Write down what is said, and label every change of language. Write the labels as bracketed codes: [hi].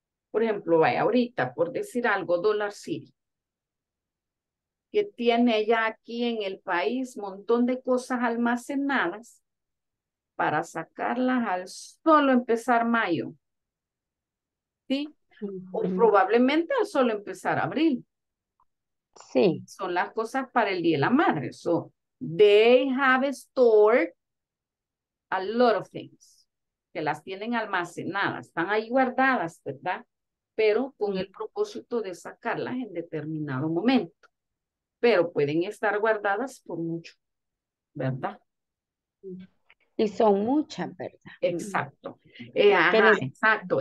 [es] Por ejemplo, vaya ahorita, por decir algo, Dollar City, que tiene ya aquí en el país un montón de cosas almacenadas para sacarlas al solo empezar mayo. ¿Sí? O probablemente al solo empezar abril. Sí. Son las cosas para el Día de la Madre. [en] So, they have stored a lot of things. [es] Que las tienen almacenadas. Están ahí guardadas, ¿verdad? Pero con el propósito de sacarlas en determinado momento. Pero pueden estar guardadas por mucho, ¿verdad? Y son muchas, ¿verdad? Exacto. Exacto.